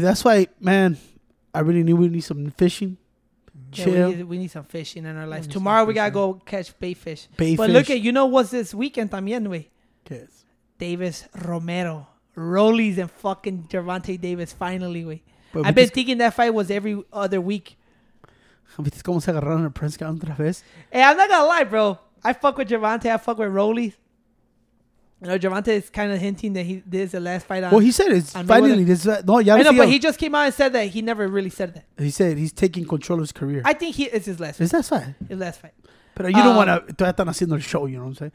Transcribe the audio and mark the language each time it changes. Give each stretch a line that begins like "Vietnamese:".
English: That's why, man, I really knew we need some fishing. Yeah, chill. We need some fishing in our lives. Tomorrow we got to go catch bait fish. But look at, you know what's this weekend también, wey? Yes. Davis Romero. Rollies and fucking Gervonta Davis finally, wey. I've been thinking that fight was every other week.
Spanish: ¿Cómo se agarraron a Prince Gunn otra vez?
English: Hey, I'm not going to lie, bro. I fuck with Gervonta. I fuck with Rollies. You know, Gervonta is kind of hinting that this is the last fight. Well, he said it's finally. He just came out and said that. He never really said that. He said he's taking control of his career. I think it's his last fight. His last fight. His last fight. But you don't want to.
Spanish: Todavía están haciendo
English: the show, you know what I'm saying?